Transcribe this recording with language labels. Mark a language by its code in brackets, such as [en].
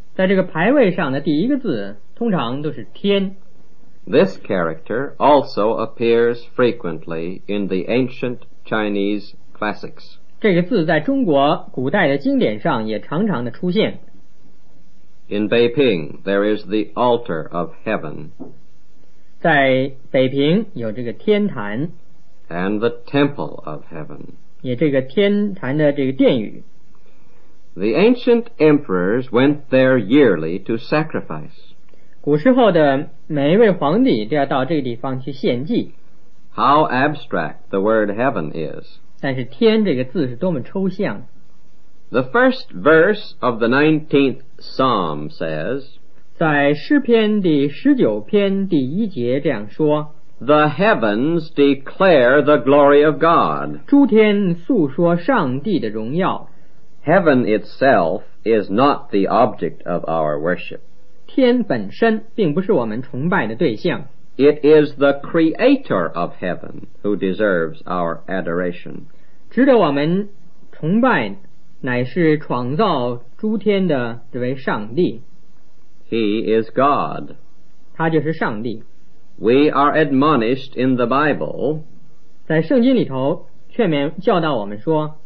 [zh] 在这个牌位上的第一个字通常都是天。 [en] This character also appears frequently in the ancient Chinese classics. [zh] 这个字在中国古代的经典上也常常的出现。 [en] In Beiping, there is the altar of heaven. [zh] 在北平有这个天坛。 [en] And the temple of heaven. [zh] 也这个天坛的这个殿宇。 [en] The ancient emperors went there yearly to sacrifice. [zh] 古时候的每一位皇帝都要到这个地方去献祭。 [en] How abstract the word heaven is. [zh] 但是天这个字是多么抽象。 [en] The first verse of the 19th Psalm says, [zh] 在诗篇第十九篇第一节这样说， [en] The heavens declare the glory of God. [zh] 诸天诉说上帝的荣耀。 [en] Heaven itself is not the object of our worship. [zh] 天本身并不是我们崇拜的对象。 [en] It is the creator of heaven who deserves our adoration. [zh] 值得我们崇拜乃是创造诸天的这位上帝。 [en] He is God. [zh] 他就是上帝。 [en] We are admonished in the Bible. [zh] 在圣经里头劝勉教导我们说，